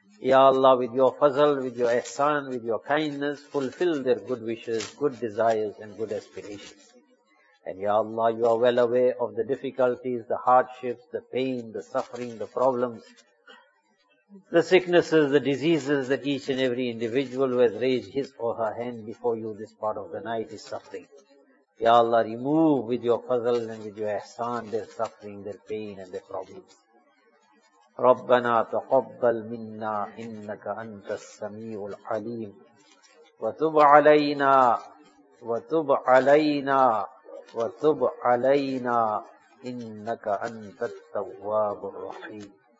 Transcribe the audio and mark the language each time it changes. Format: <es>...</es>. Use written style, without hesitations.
<en>یا اللہ, with your فضل, ود یور احسان, with your kindness, fulfil their good wishes, good desires and good aspiration. And Ya Allah, you are well aware of the difficulties, the hardships, the pain, the suffering, the problems, the sicknesses, the diseases that each and every individual who has raised his or her hand before you this part of the night is suffering. Ya Allah, remove with your fazl and with your ihsan their suffering, their pain and their problems.</en> <ar>ربنا تقبل منا انك انت السميع العليم وتب علينا وتب علينا وتب علينا انك انت التواب الرحيم</ar>